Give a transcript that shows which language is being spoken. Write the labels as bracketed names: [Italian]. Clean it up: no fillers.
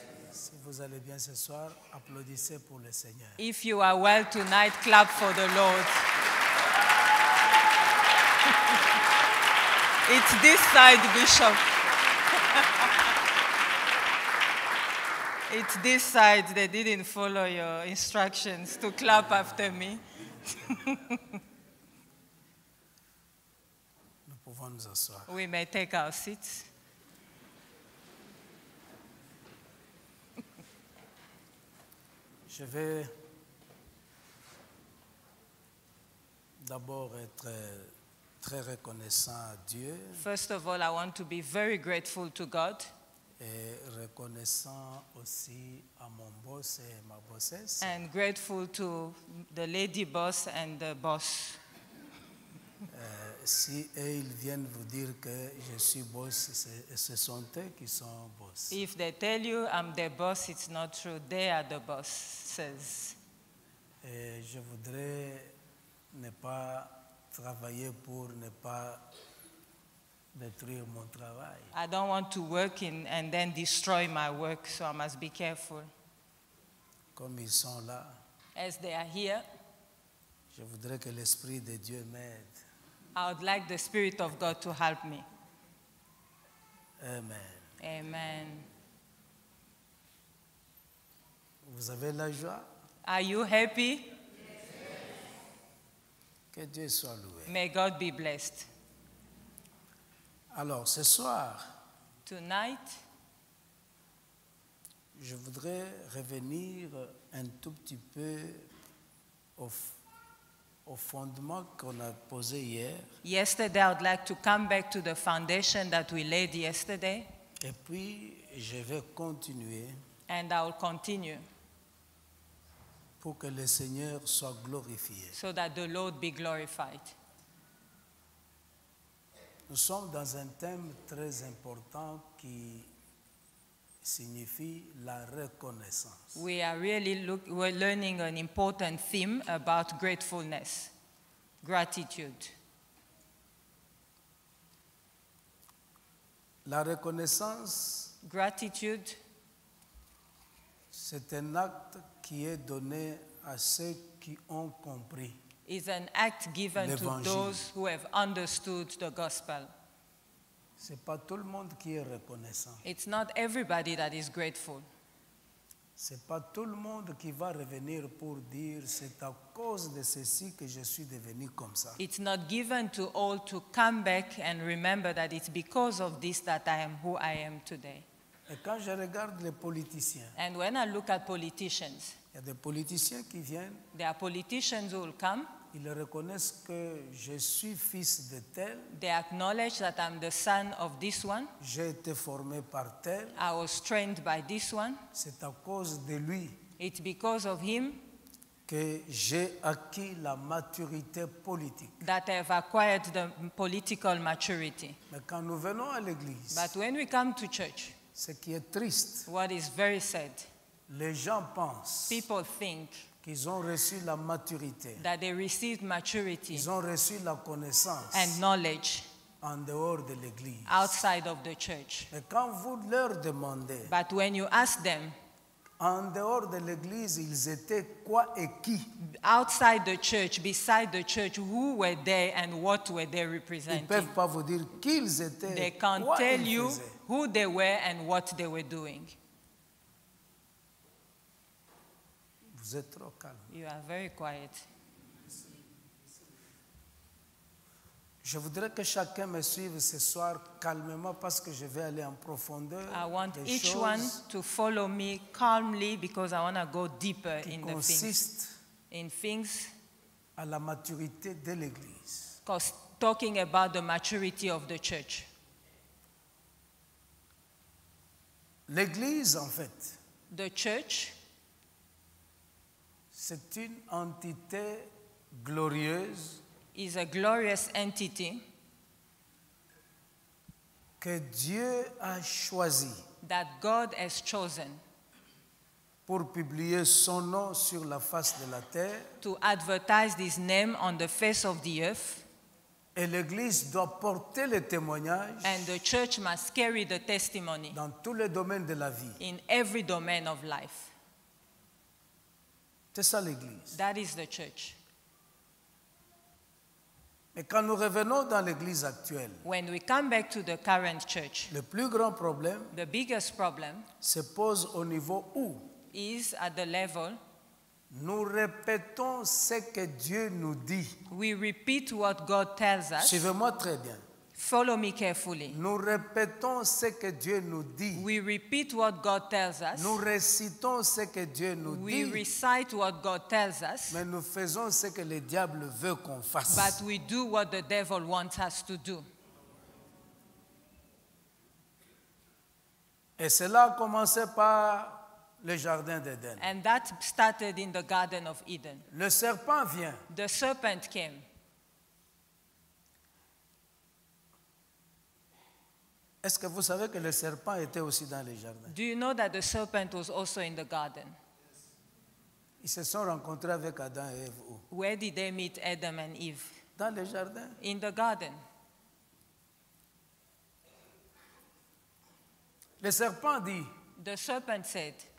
[French] Si vous allez bien ce soir, applaudissez pour le Seigneur. [English] If you are well tonight, clap for the Lord. It's this side, Bishop. It's this side. They didn't follow your instructions to clap after me. [French] Nous pouvons nous asseoir. [English] We may take our seats. [French] Je vais d'abord être très reconnaissant à Dieu. [English] First of all, I want to be very grateful to God. [French] Et reconnaissant aussi à mon boss et ma bossesse. [English] And grateful to the lady boss and the boss. [French] Si eux ils viennent vous dire que je suis boss, ce sont eux qui sont boss. [English] If they tell you I'm the boss, it's not true. They are the bosses. [French] Et je voudrais ne pas travailler pour ne pas détruire mon travail. [English] I don't want to work in and then destroy my work, so I must be careful. [French] Comme ils sont là, [English] as they are here, [French] je voudrais que l'Esprit de Dieu m'aide. [English] I would like the Spirit of God to help me. [French] Amen. [English] Amen. [French] Vous avez la joie? [English] Are you happy? [French] Que Dieu soit loué. [English] May God be blessed. [French] Alors, ce soir, [English] tonight, [French] je voudrais revenir un tout petit peu au fondement qu'on a posé hier. [English] Yesterday, I would like to come back to the foundation that we laid yesterday. [French] Et puis, je vais continuer. [English] And I will continue. [French] Pour que le Seigneur soit glorifié. [English] So that the Lord be glorified. [French] Nous sommes dans un thème très important qui signifie la reconnaissance. [English] We are really we're learning an important theme about gratefulness, gratitude. [French] La reconnaissance, [English] gratitude, [French] c'est un acte qui est donné à ceux qui ont compris. [English] Is an act given to those who have understood the gospel. [French] C'est pas tout le monde qui est reconnaissant. [English] It's not everybody that is grateful. [French] C'est pas tout le monde qui va revenir pour dire c'est à cause de ceci que je suis devenu comme ça. [English] It's not given to all to come back and remember that it's because of this that I am who I am today. [French] Et quand je regarde les politiciens. [English] And when I look at politicians. [French] Il y a des politiciens qui viennent. [English] There are politicians who will come. [French] Ils reconnaissent que je suis fils de tel. [English] They acknowledge that I'm the son of this one. [French] J'ai été formé par tel. [English] I was trained by this one. [French] C'est à cause de lui. [English] It's because of him. [French] Que j'ai acquis la maturité politique. [English] That I have acquired the political maturity. [French] Mais quand nous venons à l'église. [English] But when we come to church. [French] Ce qui est triste. [English] What is very sad. [French] Les gens pensent. [English] People think. [French] Qu'ils ont reçu la maturité. [English] That they received maturity. [French] Ils ont reçu la connaissance. [English] And knowledge. [French] En dehors de l'église. [English] Outside of the church. [French] Et quand vous leur demandez. [English] But when you ask them. [French] En dehors de l'église, ils étaient quoi et qui? [English] Outside the church, beside the church, who were they and what were they representing? [French] Ils ne peuvent pas vous dire qui ils étaient. [English] They can't tell you who they were and what they were doing. [French] Vous êtes trop calme. [English] You are very quiet. [French] Je voudrais que chacun me suive ce soir calmement parce que je vais aller en profondeur. [English] I want each one to follow me calmly because I want to go deeper in the things. In things. [French] À la maturité de l'église. [English] Because talking about the maturity of the church. [French] L'église, en fait. [English] The church. [French] C'est une entité glorieuse. [English] Is a glorious entity. [French] Que Dieu a choisi. [English] That God has chosen. [French] Pour publier son nom sur la face de la terre. [English] To advertise his name on the face of the earth. [French] Et l'Église doit porter le témoignage. [English] And the church must carry the testimony. [French] Dans tous les domaines de la vie. [English] In every domain of life. [French] C'est ça l'Église. [English] That is the church. [French] Mais quand nous revenons dans l'Église actuelle. [English] When we come back to the current church. [French] Le plus grand problème. [English] The biggest problem. [French] Se pose au niveau où. [English] Is at the level. [French] Nous répétons ce que Dieu nous dit. [English] We repeat what God tells us. [French] Suivez-moi très bien. [English] Follow me carefully. [French] Nous répétons ce que Dieu nous dit. [English] We repeat what God tells us. [French] Nous récitons ce que Dieu nous dit. [English] recite what God tells us. [French] Mais nous faisons ce que le diable veut qu'on fasse. [English] But we do what the devil wants us to do. [French] Et cela a commencé par le jardin d'Eden. [English] And that started in the garden of Eden. [French] Le serpent vient. [English] The serpent came. [French] Est-ce que vous savez que le serpent était aussi dans le jardin? [English] Do you know that the serpent was also in the garden? [French] Ils se sont rencontrés avec Adam et Eve où? [English] Where did they meet Adam and Eve? [French] Dans le jardin. [English] In the garden. [French] Le serpent dit. [English] The serpent said.